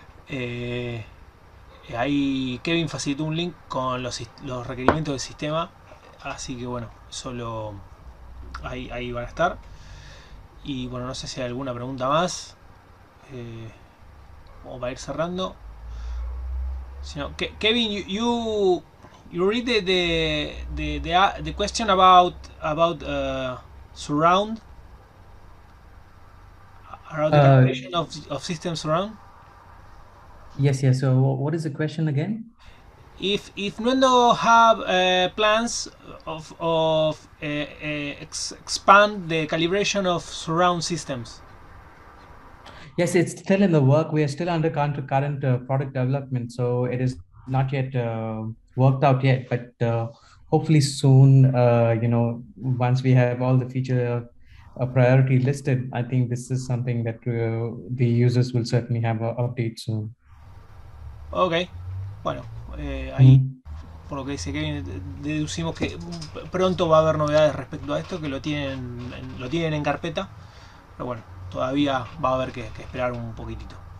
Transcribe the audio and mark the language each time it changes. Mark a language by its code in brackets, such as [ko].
[es] Ahí Kevin facilitó un link con los requerimientos del sistema, así que bueno, solo. Ahí van a estar. Y bueno, no sé si hay alguna pregunta más. Como para ir cerrando. Si no, [en] Kevin, you read the question about surround. About the calculation of system surround. Yes. So, what is the question again? If Nuendo have plans of expand the calibration of surround systems. Yes, it's still in the work. We are still under current product development, so it is not yet worked out yet. But hopefully soon, once we have all the feature a priority listed, I think this is something that the users will certainly have an update soon. [es] Okay, bueno. Ahí, por lo que dice Kevin, deducimos que pronto va a haber novedades respecto a esto, que lo tienen en carpeta, pero bueno, todavía va a haber que esperar un poquitito.